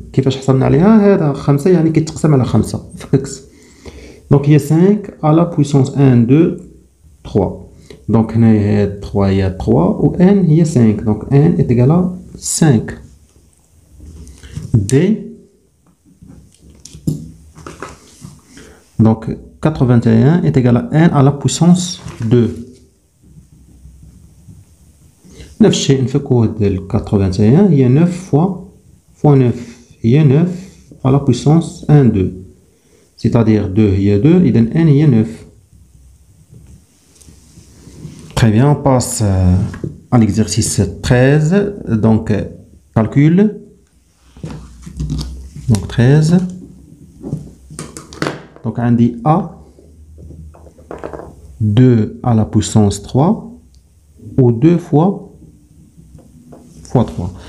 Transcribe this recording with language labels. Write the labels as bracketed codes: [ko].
[ar] كيفاش حصلنا عليها؟ هذا 5 يعني كيتقسم على 5 فكس. دونك هي [fr] 5 à la puissance 1 2 3. [ar] دونك هنا هي 3 هي 3 و n هي 5. دونك [fr] n est égal à 5. D. [ar] دونك [fr] 81 est égal à n à la puissance 2. [ar] نفس الشيء نفكو هذا 81 هي 9 fois 9 هي 9 [fr] à la puissance 1 2 c'est-à-dire [ar] 2 هي 2 اذا n هي 9. [fr] Très bien, on passe à l'exercice 13. Donc calcul. Donc 13. Donc on dit a 2 à la puissance 3 ou 2 fois 3.